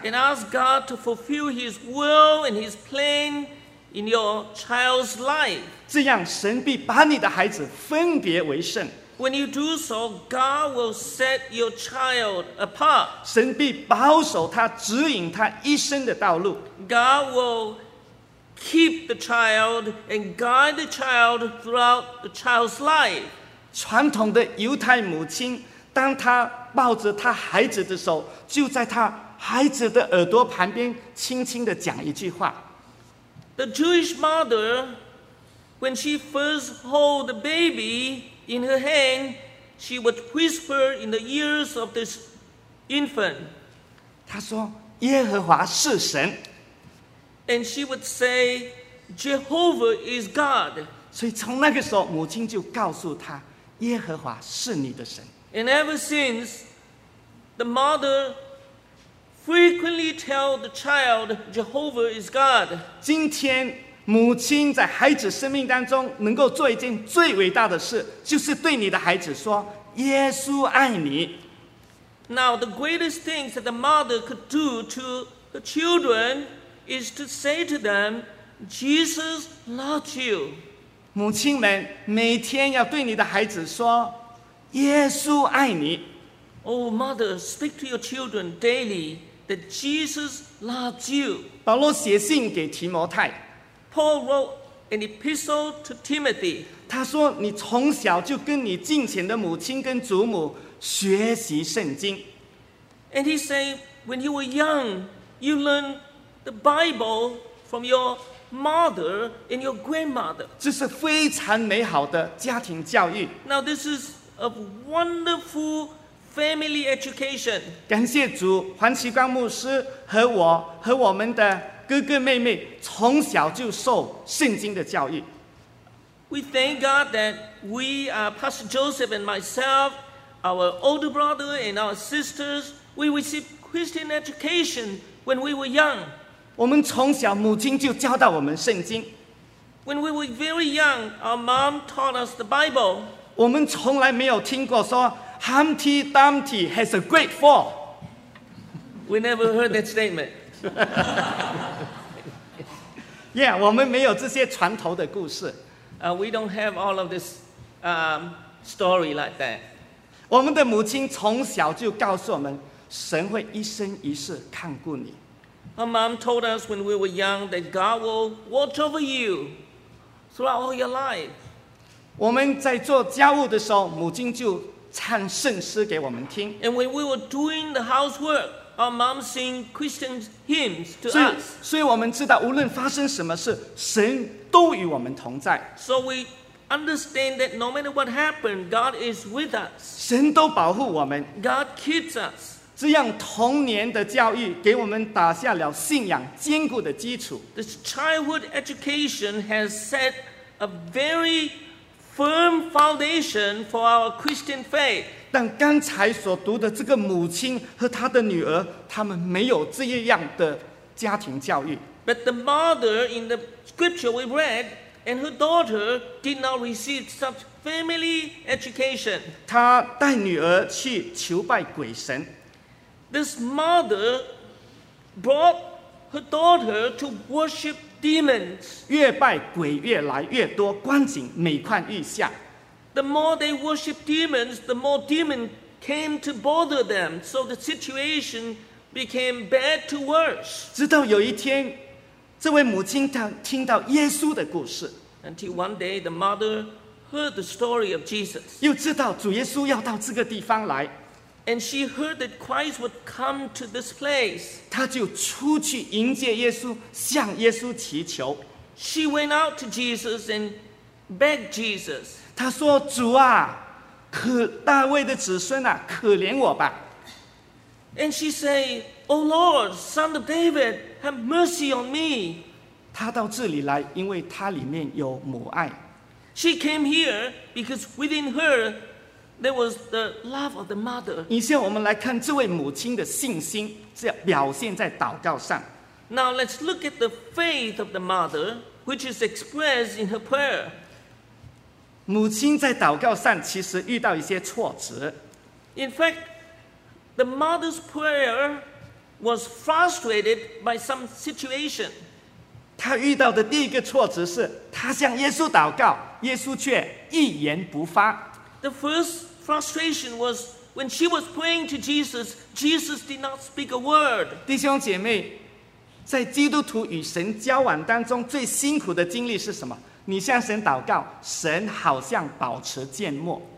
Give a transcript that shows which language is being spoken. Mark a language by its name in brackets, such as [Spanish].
[English] And ask God to fulfill His will and His plan in your child's life. [Chinese] 这样，神必把你的孩子分别为圣。 [English] When you do so, God will set your child apart. [Chinese] 神必保守他、指引他一生的道路。 [English] God will keep the child and guide the child throughout the child's life. [Chinese] 传统的犹太母亲，当她抱着他孩子的手，就在他孩子的耳朵旁边轻轻地讲一句话。 [English] The Jewish mother, when she first held the baby in her hand, she would whisper in the ears of this infant. [Chinese] 她说，耶和华是神。 [English] And she would say, Jehovah is God. [Chinese] 所以从那个时候，母亲就告诉她，耶和华是你的神。 [English] And ever since, the mother frequently tells the child, Jehovah is God. [Chinese] 今天母亲在孩子生命当中能够做一件最伟大的事，就是对你的孩子说，耶稣爱你。 [English] Now, the greatest things that the mother could do to the children is to say to them, Jesus loves you. [Chinese] 母亲们每天要对你的孩子说，耶稣爱你。 [English] Oh, mother, speak to your children daily that Jesus loves you. [Chinese] 保罗写信给提摩太。 [English] Paul wrote an epistle to Timothy. [Chinese] 他说，你从小就跟你近前的母亲跟祖母学习圣经。 [English] And he said, when you were young, you learned the Bible from your mother and your grandmother. [Chinese] 这是非常美好的家庭教育。 [English] Now this is a wonderful family education. [Chinese] 感谢主，黄奇光牧师和我和我们的哥哥妹妹从小就受圣经的教育。 [English] We thank God that we are Pastor Joseph and myself. Our older brother and our sisters, we received Christian education when we were young. [Chinese] 我们从小母亲就教导我们圣经。 [English] When we were very young, our mom taught us the Bible. [Chinese] 我们从来没有听过说 [English] Humpty Dumpty has a great fall. We never heard that statement. [Chinese] Yeah, 我们没有这些船头的故事。 [English] We don't have all of this story like that. [Chinese] 我们的母亲从小就告诉我们，神会一生一世看顾你。 [English] Our mom told us when we were young that God will watch over you throughout all your life. [Chinese] 我们在做家务的时候，母亲就唱圣诗给我们听。 [English] And when we were doing the housework, our mom sang Christian hymns to us. [Chinese] 所以我们知道，无论发生什么事，神都与我们同在。 [English] So we. Understand that no matter what happened, God is with us. [Chinese] 神都保护我们。 [English] God keeps us. [Chinese] 这样童年的教育给我们打下了信仰坚固的基础。 [English] This childhood education has set a very firm foundation for our Christian faith. [Chinese] 但刚才所读的这个母亲和她的女儿，他们没有这样的家庭教育。 [English] But the mother in the scripture we read. And her daughter did not receive such family education. [Chinese] 她带女儿去求拜鬼神。 [English] This mother brought her daughter to worship demons. [Chinese] 越拜鬼越来越多，光景每况愈下。 [English] The more they worship demons, the more demons came to bother them. So the situation became bad to worse. [Chinese] 直到有一天。这位母亲她听到耶稣的故事。 [English] Until one day, the mother heard the story of Jesus. [Chinese] 又知道主耶稣要到这个地方来。 [English] And she heard that Christ would come to this place. [Chinese] 她就出去迎接耶稣，向耶稣祈求。 [English] She went out to Jesus and begged Jesus. [Chinese] 她说：“主啊，可大卫的子孙啊，可怜我吧。” [English] And she said. O Lord, Son of David, have mercy on me. [Chinese] 他到这里来，因为他里面有母爱。 [English] She came here because within her there was the love of the mother. [Chinese] 以下我们来看这位母亲的信心，这表现在祷告上。 [English] Now let's look at the faith of the mother, which is expressed in her prayer. [Chinese] 母亲在祷告上其实遇到一些挫折。 [English] In fact, the mother's prayer. Was frustrated by some situation. [Chinese] 他遇到的第一个挫折是，他向耶稣祷告，耶稣却一言不发。 [English] The first frustration was when she was praying to Jesus, Jesus did not speak a word. [Chinese] 弟兄姐妹，在基督徒与神交往当中最辛苦的经历是什么？你向神祷告，神好像保持缄默。